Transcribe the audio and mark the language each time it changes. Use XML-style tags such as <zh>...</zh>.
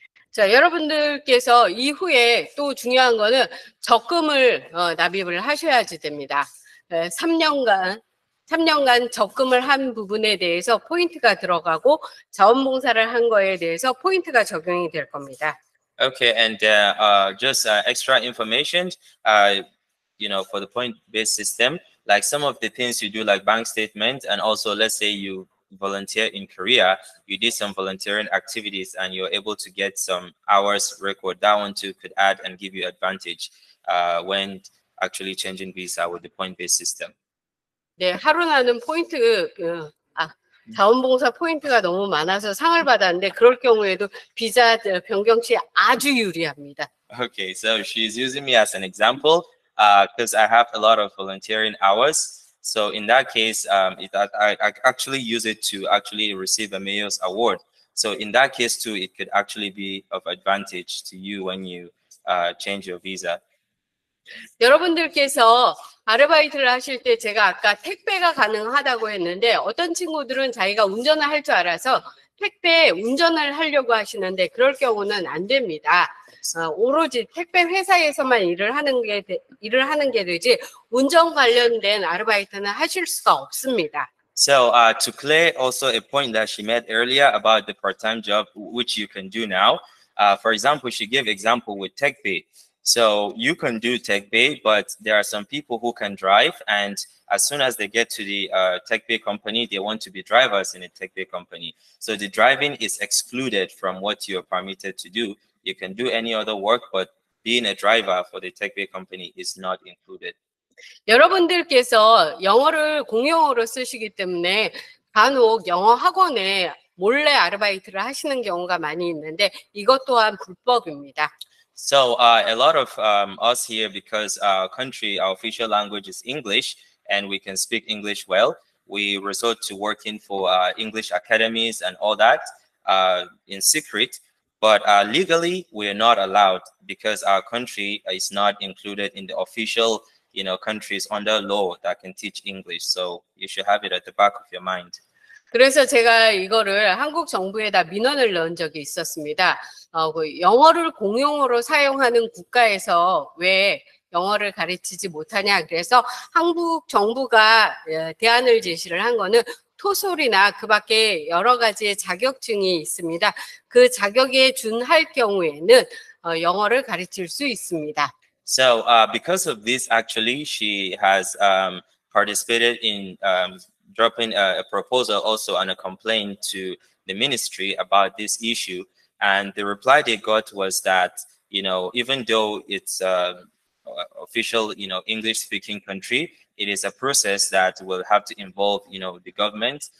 <ko>자, 여러분들께서 이후에 또 중요한 거는 적금을 납입을 하셔야지 됩니다. 3년간 적금을 한 부분에 대해서 포인트가 들어가고 자원봉사를 한 거에 대해서 포인트가 적용이 될 겁니다.</ko> <en>Okay, and just extra information, you know, for the point-based system, like some of the things you do, like bank statement, and also let's say you volunteer in Korea, you did some volunteering activities and you're able to get some hours record. That one too could add and give you advantage when actually changing visa with the point-based system.</en> <ko>네, 하루나는 포인트, 자원봉사 포인트가 너무 많아서 상을 받았는데 그럴 경우에도 비자 변경 시 아주 유리합니다.</ko> <en>Okay, so she's using me as an example because I have a lot of volunteering hours. So in that case, I actually use it to actually receive a Mayor's Award. So in that case too, it could actually be of advantage to you when you change your visa.</en> <ko>여러분들께서 아르바이트를 하실 때 제가 아까 택배가 가능하다고 했는데 어떤 친구들은 자기가 운전을 할 줄 알아서 택배 운전을 하려고 하시는데 그럴 경우는 안 됩니다. 오로지 택배 회사에서만 일을 하는 게 되지 운전 관련된 아르바이트는 하실 수가 없습니다.</ko> <en>So to clear also a point that she made earlier about the part-time job which you can do now. For example, she gave example with techbay. So you can do techbay, but there are some people who can drive, and as soon as they get to the techbay company, they want to be drivers in a techbay company. So the driving is excluded from what you are permitted to do. You can do any other work, but being a driver for the techbay company is not included.</en> <ko>여러분들께서 영어를 공용어로 쓰시기 때문에 간혹 영어 학원에 몰래 아르바이트를 하시는 경우가 많이 있는데 이것 또한 불법입니다.</ko> <en>So a lot of us here, because our country, our official language is English, and we can speak English well, we resort to working for English academies and all that in secret. But legally, we are not allowed because our country is not included in the official, you know, countries under law that can teach English. So you should have it at the back of your mind.</en> <ko>그래서 제가 이거를 한국 정부에다 민원을 넣은 적이 있었습니다. 영어를 공용어로 사용하는 국가에서 왜 영어를 가르치지 못하냐. 그래서 한국 정부가 대안을 제시를 한 거는 토솔이나 그 밖에 여러 가지의 자격증이 있습니다. 그 자격에 준할 경우에는 영어를 가르칠 수 있습니다.</ko> <en>So because of this, actually, she has participated in dropping a proposal also and a complaint to the ministry about this issue. And the reply they got was that, you know, even though it's official, you know, English speaking country, it is a process that will have to involve, you know, the government.</en>